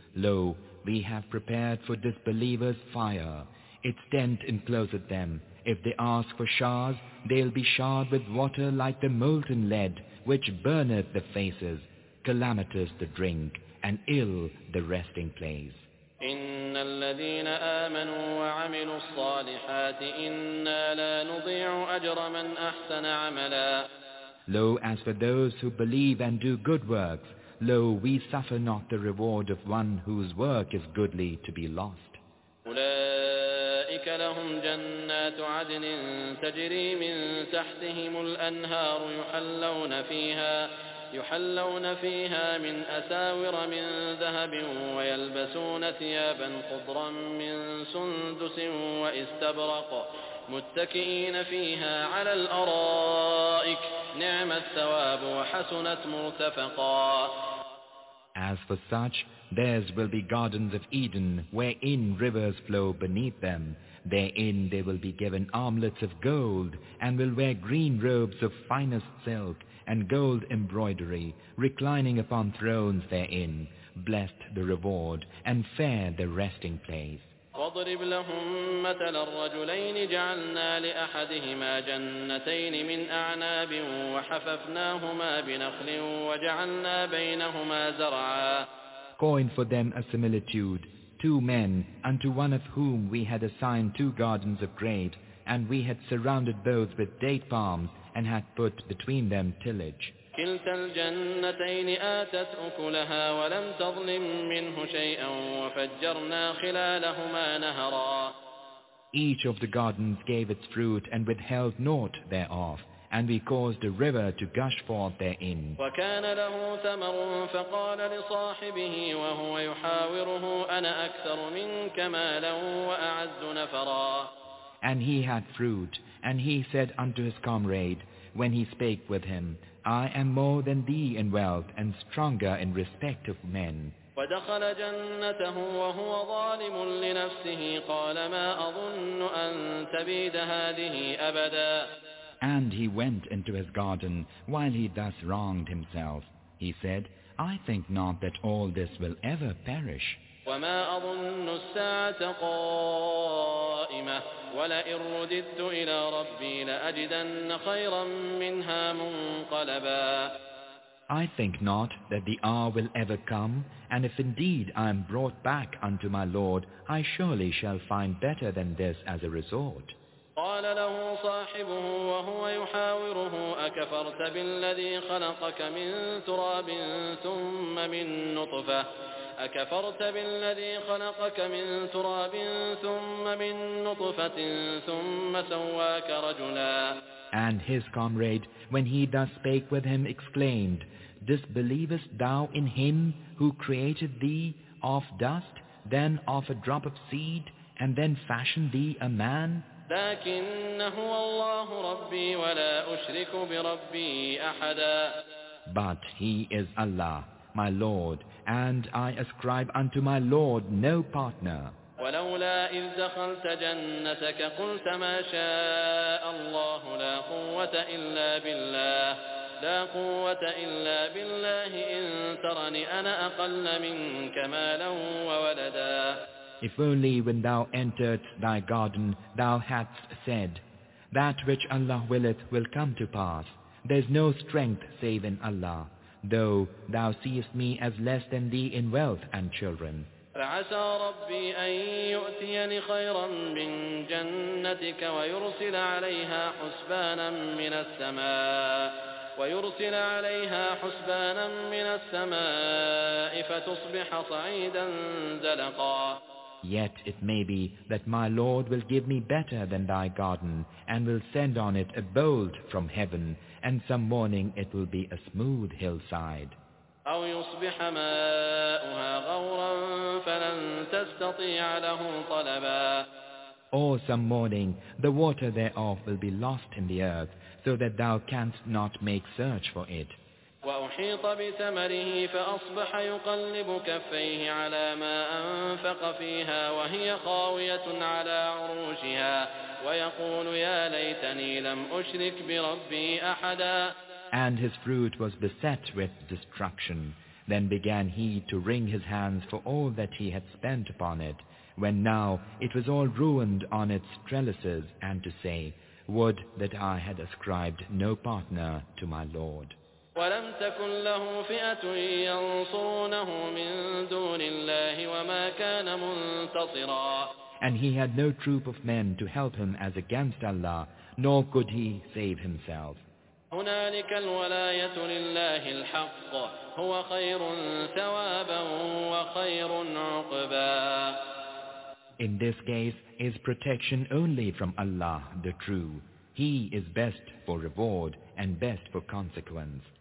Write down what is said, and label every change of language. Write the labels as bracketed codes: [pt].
[en] Lo, we have prepared for disbelievers fire. Its tent encloseth them. If they ask for showers, they'll be showered with water like the molten lead, which burneth the faces, calamitous the drink, and ill the resting place. [ar] إن الذين آمنوا وعملوا الصالحات إنا لا نضيع أجر من أحسن عملا [en] Lo, as for those who believe and do good works, Lo, we suffer not the reward of one whose work is goodly to be lost. [ar] أولئك لهم جنات عدن تجري من تحتهم الأنهار يحلون فيها يحلون فيها من أساور من ذهب ويلبسون ثيابا خضرا من سندس وإستبرق متكئين فيها على الأرائك نعم الثواب وحسنت مرتفقا. [en] As for such, theirs will be gardens of Eden, wherein rivers flow beneath them. Therein they will be given armlets of gold, and will wear green robes of finest silk, and gold embroidery, reclining upon thrones therein. Blessed the reward, and fair the resting place. [ar] واضرب لهم مثل الرجلين جعلنا لأحدهما جنتين من أعناب وحففناهما بنخل وجعلنا بينهما زرعا. [en] Coin for them a similitude, two men, unto one of whom we had assigned two gardens of grape, and we had surrounded both with date palms, and had put between them tillage. [ar] كلتا الجنتين آتت أكلها ولم تظلم منه شيئا وفجرنا خلالهما نهرا. [en] Each of the gardens gave its fruit and withheld naught thereof, and we caused a river to gush forth therein. [ar] وكان له ثمر فقال لصاحبه وهو يحاوره أنا أكثر منك مالا وأعز نفرا. [en] And he had fruit, and he said unto his comrade, when he spake with him, I am more than thee in wealth and stronger in respect of men. [ar] ودخل جنته وهو ظالم لنفسه قال ما أظن أن تبيد هذه أبدا. [en] And he went into his garden while he thus wronged himself. He said, I think not that all this will ever perish. [ar] وما أظن الساعة قائمة ولئن رددت إلى ربي لأجدن خيرا منها منقلبا. [en] I think not that the hour will ever come, and if indeed I am brought back unto my Lord, I surely shall find better than this as a resort. [ar] قال له صاحبه وهو يحاوره أكفرت بالذي خلقك من تراب ثم من نطفة أكفرت بالذي خلقك من تراب ثم من نطفة ثم سواك رجلا. [en] And his comrade, when he thus spake with him, exclaimed, Disbelievest thou in him who created thee of dust, then of a drop of seed, and then fashioned thee a man? [ar] لكن هو الله ربي ولا أشرك بربي أحدا. [en] But he is Allah, my Lord, and I ascribe unto my Lord no partner. [ar] ولولا إذ دخلت جنتك قلت ما شاء الله لا قوة إلا بالله لا قوة إلا بالله إن ترني أنا أقل منك مالا وولدا. [en] If only when thou entered thy garden thou hadst said, That which Allah willeth will come to pass. There is no strength save in Allah, though thou seest me as less than thee in wealth and children. [ar] فَعَسَى رَبِّي أَن يُؤْتِيَنِ خَيْرًا مِنْ جَنَّتِكَ وَيُرْسِلَ عَلَيْهَا حُسْبَانًا مِنَ السَّمَاءِ ويرسل عليها حسبانا من السماء فتصبح صعيدا زلقا. [en] Yet it may be that my Lord will give me better than thy garden, and will send on it a bolt from heaven, and some morning it will be a smooth hillside. [ar] أو يصبح ماؤها غورا فلن تستطيع له طلبا. [en] Or some morning the water thereof will be lost in the earth, so that thou canst not make search for it. [ar] وأحيط بثمره فأصبح يقلب كفيه على ما أنفق فيها وهي خاوية على عروشها ويقول يا ليتني لم أشرك بربي أحدا. [en] And his fruit was beset with destruction. Then began he to wring his hands for all that he had spent upon it, when now it was all ruined on its trellises, and to say, Would that I had ascribed no partner to my Lord. [ar] ولم تكن له فئة ينصرونه من دون الله وما كان منتصرا. [en] And he had no troop of men to help him as against Allah, nor could he save himself. [ar] هنالك الولاية لله الحق هو خير ثوابا وخير عقبا. [en] In this case is protection only from Allah, the true. He is best for reward and best for consequence.